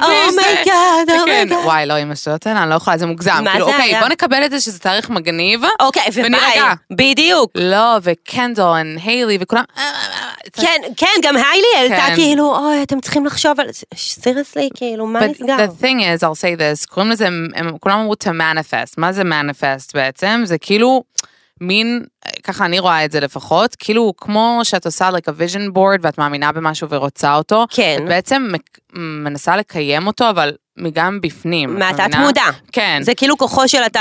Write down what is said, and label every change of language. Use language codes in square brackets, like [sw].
[en] בי זה. אומי גאד, אומי גאד. [he] וואי, לא, אמא שלא תן, אני לא יכולה, זה מוגזם. מה זה היה? אוקיי, בוא נקבל את זה שזה תאריך מגניב. אוקיי, ומה? בדיוק. לא, וקנדל, והיילי, וכולם. כן, כן, גם היילי העלתה כאילו, אוי, אתם צריכים לחשוב על זה, סיריסלי, כאילו, מה נסגר? [en] But the thing is, I'll say this, [he] קוראים לזה, כולם אמרו [en] to manifest. [he] מה זה manifest בעצם? זה כאילו מין, ככה אני רואה את זה לפחות, כאילו כמו שאת עושה [en] like a vision board [he] ואת מאמינה במשהו ורוצה אותו, כן. את בעצם מנסה לקיים אותו, אבל מגם בפנים. מהתת מודע. כן. זה כאילו כוחו של התת